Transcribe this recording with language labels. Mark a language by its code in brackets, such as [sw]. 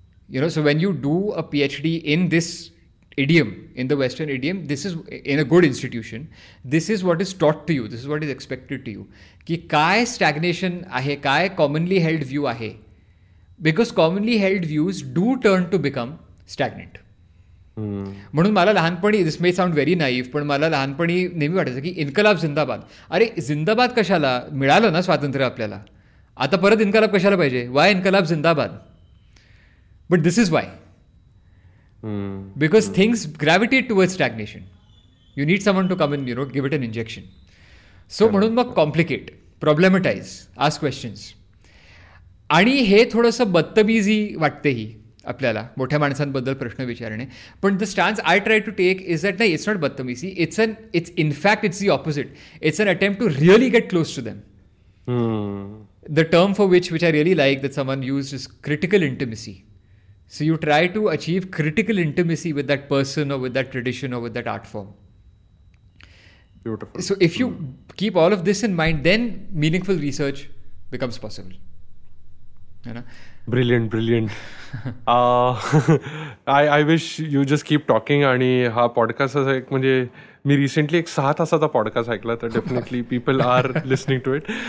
[en] You know, so when you do a PhD in this idiom, in the Western idiom, this is in a good institution. This is what is taught to you. This is what is expected to you. [mr] Ki kai stagnation ahe, kai commonly held view ahe. [en] Because commonly held views do turn to become stagnant. [mr] म्हणून मला लहानपणी, [en] this may sound very naive, [mr] पण मला लहानपणी नेहमी वाटायचं की इन्कलाब जिंदाबाद. अरे जिंदाबाद कशाला? मिळालं ना स्वातंत्र्य आपल्याला, आता परत इन्कलाब कशाला पाहिजे? [en] Why इन्कलाब जिंदाबाद? But this is why, because things gravitate towards stagnation. You need someone to come in, you know, give it an injection. [mr] So म्हणून मग [en] Complicate, problematize, ask questions. [mr] आणि हे थोडंसं बत्तमीजी वाटतेही आपल्याला मोठ्या माणसांबद्दल प्रश्न विचारणे, पण [en] The stance I try to take is that नाही, it's not बत्तमीसी, it's an, it's in fact it's the opposite, it's an attempt to really get close to them. The term for which I really like that someone use is critical intimacy. So you try to achieve critical intimacy with that person or with that tradition or with that art form. So if you keep all of this in mind, then meaningful research becomes possible. Brilliant, brilliant. I wish you just keep talking. [mr] आणि हा podcast एक, म्हणजे मी recently एक 6 तासाचा podcast ऐकला, तर definitely [en] People are listening to it.